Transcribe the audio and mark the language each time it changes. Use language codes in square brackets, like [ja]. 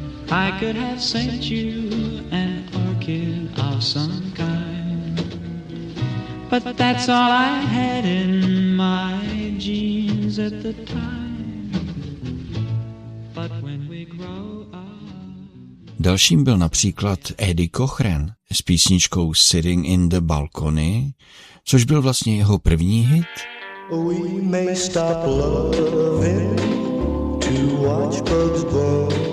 [en] I could have sent you an orchid of some kind, but that's all I had in my genes at the time. But when we grow up... [cs] Dalším byl například Eddie Cochran s písničkou Sitting in the Balcony, což byl vlastně jeho první hit. [en] We may stop loving to watch birds grow.